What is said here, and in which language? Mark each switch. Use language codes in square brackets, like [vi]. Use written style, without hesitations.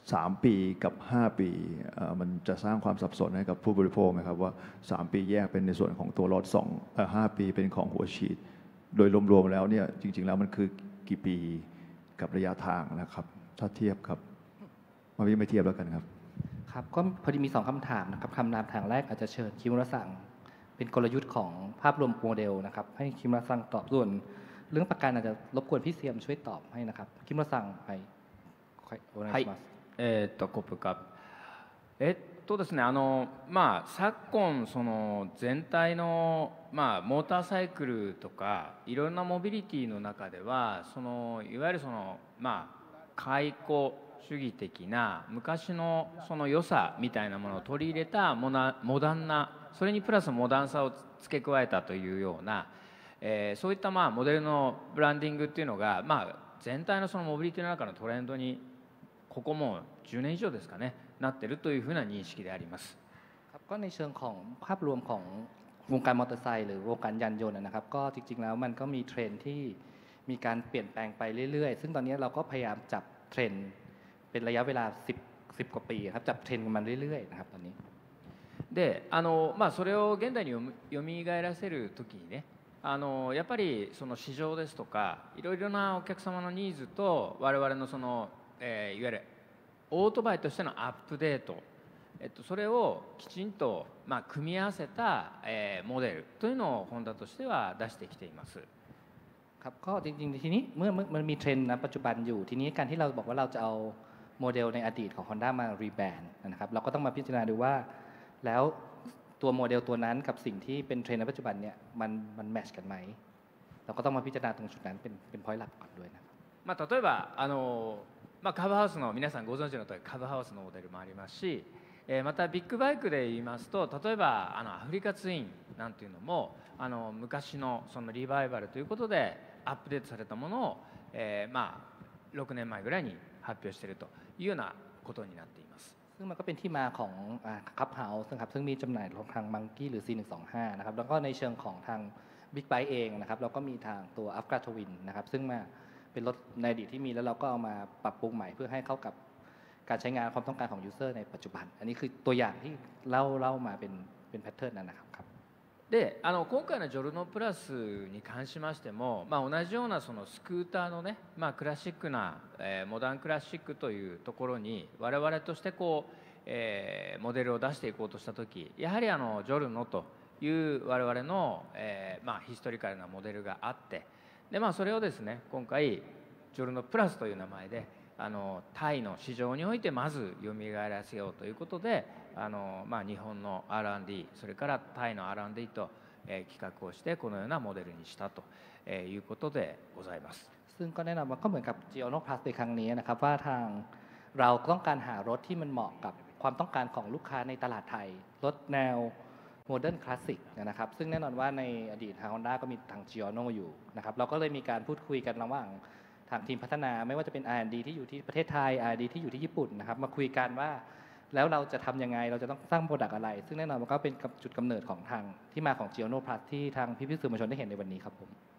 [th] 3ปีกับ5ปีมันจะสร้างความสับสนให้กับผู้บริโภคไหมครับว่า3ปีแยกเป็นในส่วนของตัวรถ2 5ปีเป็นของหัวฉีดโดยรวมๆแล้วเนี่ยจริงๆแล้วมันคือกี่ปีกับระยะทางนะครับถ้าเทียบครับมาวิเคราะห์เทียบแล้วกันครับ ครับก็พอดีมี2คำถามนะครับคำถามทางแรกอาจจะเชิญคิมรัสซังเป็นกลยุทธ์ของภาพรวมโมเดลนะครับให้คิมรัสซังตอบส่วนเรื่องประกันอาจจะรบกวนพี่เซียมช่วยตอบให้นะครับคิมรัสซังไ ปโอเนสมัสขอบคุณครับ [ja] ですねまあ昨今その全体のまあモーターサイクルとかいろんなモビリティの中ではそのいわゆるそのまあ解雇主義的な昔のその良さみたいなものを取り入れたモダンなそれにプラスモダンさを付け加えたというようなそういったまあモデルのブランディングっていうのがまあ全体のそのモビリティの中のトレンドにここも10年以上ですかねなってるというふうな認識であります。 [th] ครับก็ในเชิงของภาพรวมของวงการมอเตอร์ไซค์หรือวงการยานยนต์นะครับก็จริงๆแล้วมันก็มีเทรนที่มีการเปลี่ยนแปลงไปเรื่อยๆซึ่งตอนนี้เราก็พยายามจับเทรนเป็นระยะเวลา10กว่าปีครับจับเทรนด์มันเรื่อยๆนะครับตอนนี้ [ja] でまあそれを現代によみがえらせるときにねやっぱりその市場ですとかいろいろなお客様のニーズと我々のそのいわゆるオートバイとしてのアップデートそれをきちんとまあ組み合わせたモデルというのをホンダとしては出してきています。 [th] ครับก็จริงๆทีนี้มันมีเทรนด์ณปัจจุบันอยู่ทีนี้การที่เราบอกว่าเราจะเอาโมเดลในอดีตของ Honda มารีแบรนด์นะครับเราก็ต้องมาพิจารณาดูว่าแล้วตัวโมเดลตัวนั้นกับสิ่งที่เป็นเทรนด์ในปัจจุบันเนี่ยมันแมทช์กันไหมเราก็ต้องมาพิจารณาตรงจุดนั้นเป็นพอยต์หลักก่อนด้วยนะ มา [ja] 例えばまあカブハウスの皆さんご存知の通りカブハウスのモデルもありますしまたビッグバイクで言いますと例えばアフリカツインなんていうのも昔のそのリバイバルということでアップデートされたものをまあ6年前ぐらいに発表しているというようなことになっています。 [th] ซึ่งมันก็เป็นที่มาของClubhouse นะครับซึ่งมีจำหน่ายของทาง Monkey หรือ C125 นะครับแล้วก็ในเชิงของทาง Big Bike เองนะครับเราก็มีทางตัว Afra Twin นะครับซึ่งมาเป็นรถในอดีตที่มีแล้วเราก็เอามาปรับปรุงใหม่เพื่อให้เข้ากับการใช้งานความต้องการของยูสเซอร์ในปัจจุบันอันนี้คือตัวอย่างที่เล่ามาเป็นแพทเทิร์นนั่นนะครับ [ja] で、あの今回のジョルノプラスに関しましても、まあ、同じようなそのスクーターのね、まあ、クラシックな、モダンクラシックというところに我々としてこう、モデルを出していこうとした時、やはりあのジョルノという我々の、まあ、ヒストリカルなモデルがあって、で、まあ、それをですね今回ジョルノプラスという名前であのタイの市場においてまず蘇らせようということで、あの、まあ、日本の R&D それからタイの R&D と、企画をしてこのようなモデルにしたと、いうことでございます。 [th] ซึ่งก็แนะนำว่าก็เหมือนกับจิโอโนพลัสในครั้งนี้นะครับว่าทางเราต้องการหารถที่มันเหมาะกับความต้องการของลูกค้าในตลาดไทยรถแนวโมเดิร์นคลาสสิกนะครับซึ่งแน่นอนว่าในอดีตทาง Honda ก็มีทางจิโอโนอยู่นะครับเราก็เลยมีการพูดคุยกันระหว่างทางทีมพัฒนาไม่ว่าจะเป็น R&D ที่อยู่ที่ประเทศไทย R&D ที่อยู่ที่ญี่ปุ่นนะครับมาคุยกันว่าแล้วเราจะทำยังไงเราจะต้องสร้างโปรดักต์อะไรซึ่งแน่นอนมันก็เป็นจุดกำเนิดของทางที่มาของ Giono Plus ที่ทางพี่ๆสื่อมวลชนได้เห็นในวันนี้ครับผม